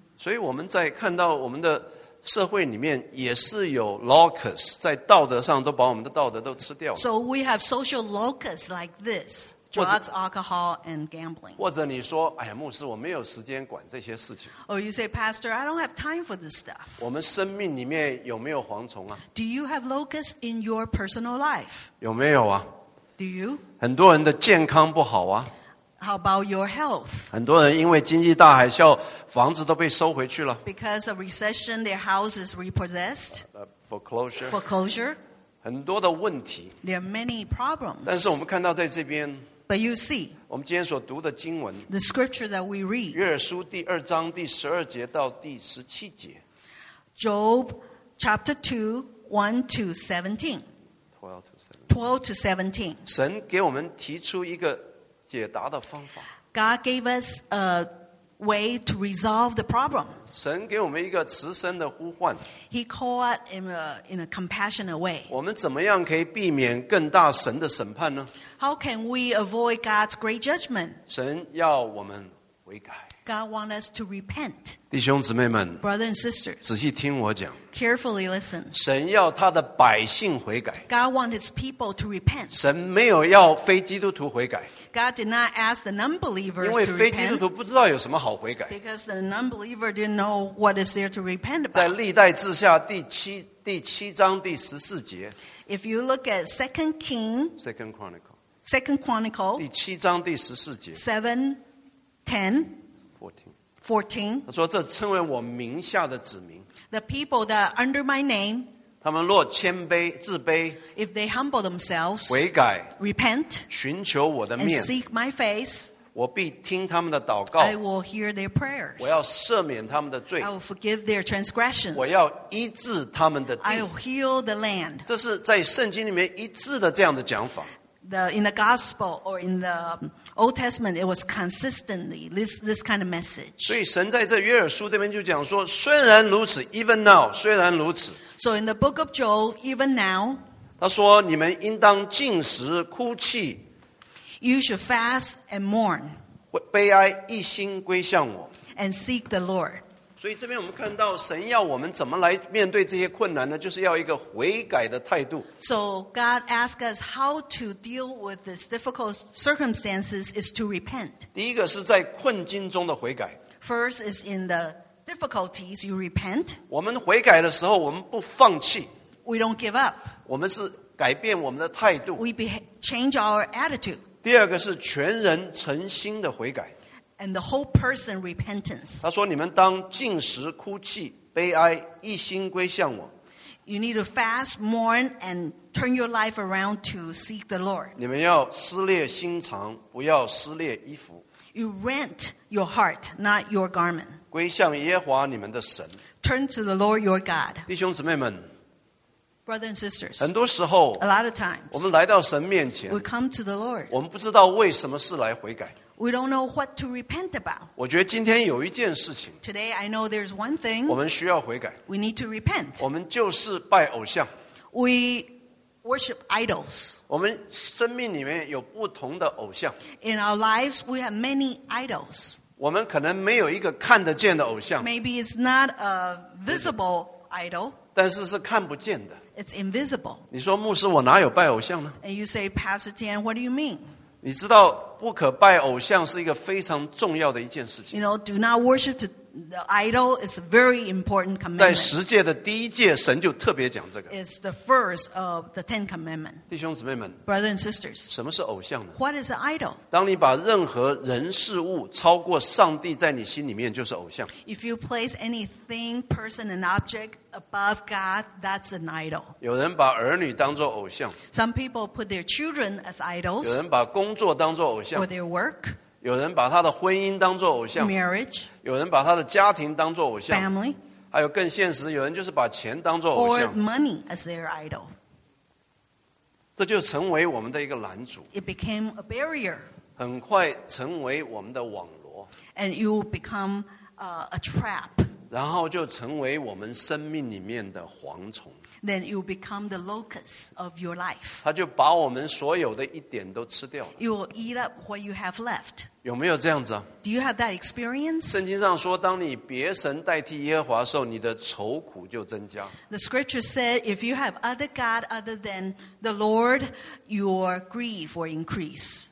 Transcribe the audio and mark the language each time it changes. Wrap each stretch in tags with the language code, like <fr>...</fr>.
<zh>所以我们在看到我们的社会里面也是有 locus 在道德上都把我们的道德都吃掉了</zh> <en>So we have social locus like this drugs, alcohol and gambling</en> <zh>或者你说哎呀牧师我没有时间管这些事情</zh> <en>Or you say pastor I don't have time for this stuff</en> <zh>我们生命里面有没有蝗虫啊</zh> <en>Do you have locus in your personal life</en> <zh>有没有啊</zh> <en>Do you</en> <zh>很多人的健康不好啊</zh> <en>How about your health</en> <zh>很多人因为经济大海啸房子都被收回去了</zh> <en>Because of recession, their house is repossessed. Foreclosure. Foreclosure.</en> <zh>很多的问题</zh> <en>There are many problems.</en> <zh>但是我们看到在这边</zh> <en>But you see,</en> <zh>我们今天所读的经文,</zh> <en>the scripture that we read,</en> <zh>约珥书第二章第十二节到第十七节,</zh> <en>Job chapter 2, 1 to 17, 12 to 17,</en> <zh>神给我们提出一个解答的方法,</zh> <en>God gave us a way to resolve the problem.</en> <zh>神给我们一个慈声的呼唤,</zh> <en>He called in a compassionate way.</en> <zh>我们怎么样可以避免更大神的审判呢?</zh> <en>How can we avoid God's great judgment?</en> <zh>神要我们悔改,</zh> <en>God wants us to repent.</en> <zh>弟兄姊妹们,</zh> <en>brothers and sisters,</en> <zh>仔细听我讲,</zh> <en>carefully listen.</en> <zh>神要他的百姓悔改,</zh> <en>God wants his people to repent.</en> <zh>神没有要非基督徒悔改,</zh> <en>God did not ask the non-believers to</en> <zh>因为非基督徒不知道有什么好悔改,</zh> <en>because the non-believer didn't know what is there to repent about.</en> <zh>在历代志下第七章第十四节,</zh> <en>if you look at 2 Chronicles</en> <zh>第七章第十四节,</zh> <en>7:10-14,</en> <zh>他说这称为我名下的子民,</zh> <en>the people that are under my name,</en> <zh>他们若谦卑自卑,</zh> <en>if they humble themselves,</en> <zh>悔改,</zh> <en>repent,</en> <zh>寻求我的面,</zh> <en>and seek my face,</en> <zh>我必听他们的祷告,</zh> <en>I will hear their prayers,</en> <zh>我要赦免他们的罪,</zh> <en>I will forgive their transgressions,</en> <zh>我要医治他们的地,</zh> <en>I will heal the land.</en> <zh>这是在圣经里面一致的这样的讲法,</zh> <en>in the gospel or in theOld Testament, it was consistently this kind of message.</en> <zh>所以神在这约珥书这边就讲说，虽然如此 ，</zh> <en>even now，</en> <zh>虽然如此。</zh> <en>So in the book of Job, even now，</en> <zh>他说你们应当禁食哭泣。</zh> <en>You should fast and mourn.</en> <zh>悲哀一心归向我。</zh> <en>And seek the Lord.</en> <zh>所以这边我们看到神要我们怎么来面对这些困难呢？就是要一个悔改的态度。</zh> <en>So God asks us how to deal with these difficult circumstances is to repent.</en> <zh>第一个是在困境中的悔改。</zh> <en>First is in the difficulties you repent.</en> <zh>我们悔改的时候，我们不放弃。</zh> <en>We don't give up.</en> <zh>我们是改变我们的态度。</zh> <en>We change our attitude.</en> <zh>第二个是全人诚心的悔改。</zh> <en>And the whole person repentance.</en> <zh>他说你们当禁食哭泣悲哀一心归向我。</zh> <en>You need to fast, mourn, and turn your life around to seek the Lord.</en> <zh>你们要撕裂心肠，不要撕裂衣服。</zh> <en>You rent your heart, not your garment.</en> <zh>归向耶和华你们的神。</zh> <en>Turn to the Lord your God.</en> <zh>弟兄姊妹们。</zh> <en>Brothers and sisters,</en> <zh>很多时候。</zh> <en>A lot of times.</en> <zh>我们来到神面前。</zh> <en>We come to the Lord.</en> <zh>我们不知道为什么事来悔改。</zh> <en>We don't know what to repent about.</en> <zh>我觉得今天有一件事情。</zh> <en>Today I know there's one thing.</en> <zh>我们需要悔改。</zh> <en>We need to repent.</en> <zh>我们就是拜偶像。</zh> <en>We worship idols.</en> <zh>我们生命里面有不同的偶像。</zh> <en>In our lives, we have many idols.</en> <zh>我们可能没有一个看得见的偶像。</zh> <en>Maybe it's not a visible idol.</en> <zh>但是是看不见的。</zh> <en>It's invisible.</en> <zh>你说牧师，我哪有拜偶像呢？</zh> <en>And you say, Pastor Tian, what do you mean?</en> <zh>你知道。不可拜偶像是一个非常重要的一件事情。</zh> <en>You know, do not worship the idol. It's a very important commandment.</en> <zh>在十诫的第一诫，神就特别讲这个。</zh> <en>It's the first of the Ten Commandments.</en> <zh>弟兄姊妹们</zh> <en>，Brothers and sisters，</en> <zh>什么是偶像呢</zh> <en>？What is an idol？</en> <zh>当你把任何人事物超过上帝在你心里面，就是偶像。</zh> <en>If you place anything, person, and object above God, that's an idol.</en> <zh>有人把儿女当作偶像。</zh> <en>Some people put their children as idols.</en> <zh>有人把工作当作偶像。</zh> <en>Or their work,</en> <zh>有人把他的婚姻当作偶像</zh> <en>marriage,</en> <zh>有人把他的家庭当作偶像</zh> <en>family,</en> <zh>还有更现实，有人就是把钱当作偶像</zh> <en>or money as their idol.</en> <zh>这就成为我们的一个拦阻</zh> <en>it became a barrier.</en> <zh>很快成为我们的网罗</zh> <en>and you become a trap.</en> <zh>然后就成为我们生命里面的蝗虫</zh> <en>then you become the locus of your life.</en> <zh>他就把我们所有的一点都吃掉了</zh> <en>You will eat up what you have left.</en> <zh>有没有这样子啊</zh> <en>Do you have that experience?</en> <zh>圣经上说当你别神代替耶和华的时候你的愁苦就增加</zh> <en>The scripture said if you have other God other than the Lord, your grief will increase.</en>